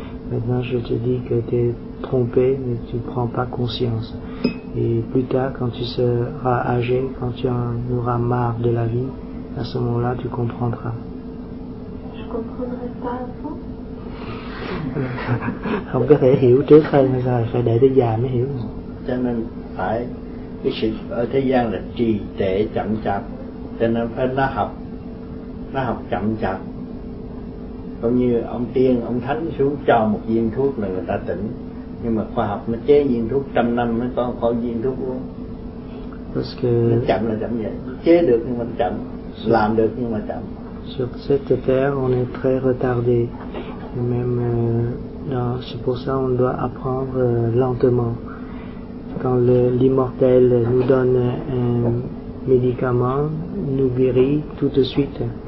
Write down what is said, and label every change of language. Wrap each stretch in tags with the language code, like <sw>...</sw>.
<fr>Maintenant, je te dis que tu es trompé, mais tu ne prends pas conscience. Et plus tard, quand tu seras âgé, quand tu en auras marre de la vie, à ce moment-là, tu comprendras. Je ne comprendrai pas avant.</fr> <vi>Không có thể hiểu trước hơn, phải để tới già mới hiểu. Cho nên phải cái sự ở thế gian là trì trệ chậm chạp, cho nên phải nó học chậm chạp. Cũng như ông tiên ông thánh xuống cho một viên thuốc là người ta tỉnh, nhưng mà khoa học nó chế viên thuốc trăm năm mới có một viên thuốc uống.</vi> <fr>Parce que</fr> <vi>nó chậm là chậm vậy, chế được nhưng mà chậm, làm được nhưng mà chậm.</vi> <fr>Sur cette terre on est très retardé, même c'est pour ça on doit apprendre lentement. Quand l'immortel nous donne un médicament, nous guérit tout de suite.</fr>